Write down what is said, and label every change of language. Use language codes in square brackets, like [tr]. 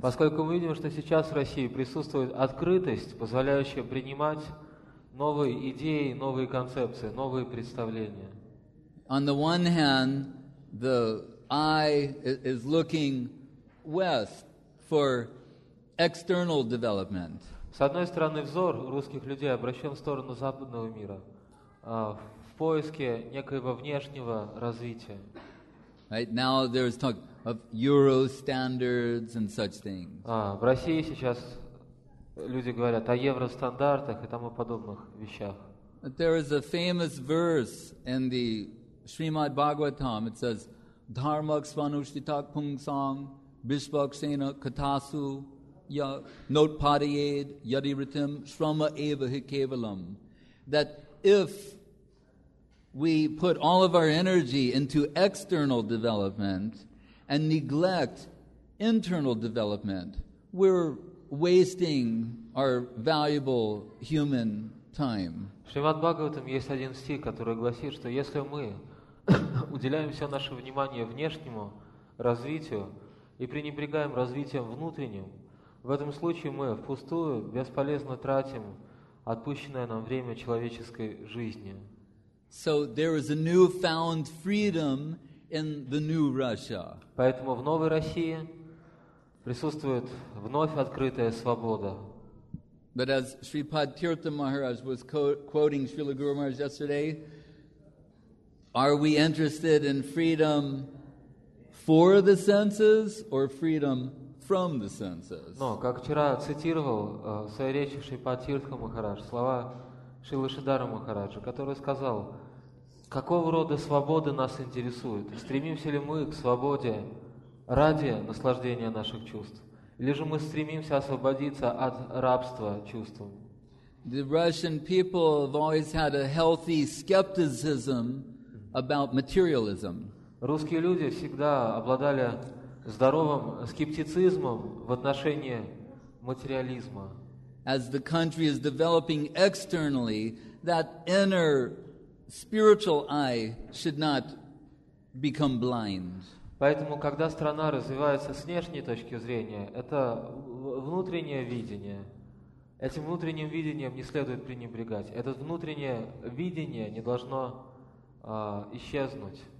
[ru] Поскольку мы видим, что сейчас в России присутствует открытость, позволяющая принимать новые идеи, новые концепции, новые представления. [en] On the one hand, the eye is looking west for external development. [ru] С одной стороны, взор русских людей обращен в сторону западного мира, в поиске некоего внешнего развития. [en] Right now, there is talk of Euro standards and such things. [ru] В России сейчас люди говорят о евростандартах и тому подобных вещах. [en] But there is a famous verse in the Srimad Bhagavatam, it says, [sa] Dharmak Svanushtitak Pungsang Bishvaksena Katasu Notpadayed Yadiritim Shrama Eva Hikevalam. [en] That if we put all of our energy into external development and neglect internal development, we're wasting our valuable human time. [ru] В Шримад-Бхагаватам есть один стих, который гласит, что если мы уделяем все наше внимание внешнему развитию и пренебрегаем развитием внутренним, в этом случае мы впустую, бесполезно тратим отпущенное нам время человеческой жизни. [en] So there is a new found freedom in the new Russia. [ru] Поэтому в новой России присутствует вновь открытая свобода. [en] But as Shripad Tirtha Maharaj was quoting Srila Guru Maharaj yesterday, are we interested in freedom for the senses or freedom from the senses? [ru] Но, как вчера цитировал в своей речи Шрипад Тиртха Махарадж слова Шрилы Шридхара Махараджа, который сказал, какого рода свобода нас интересует? Стремимся ли мы к свободе ради наслаждения наших чувств? Или же мы стремимся освободиться от рабства чувствам? [en] The Russian people have always had a healthy skepticism about materialism. [ru] Русские люди всегда обладали здоровым скептицизмом в отношении материализма. [en] As the country is developing externally, that inner spiritual eye should not become blind. [ru] Поэтому, когда страна развивается с внешней точки зрения, это внутреннее видение. Этим внутренним видением не следует пренебрегать. Это внутреннее видение не должно исчезнуть.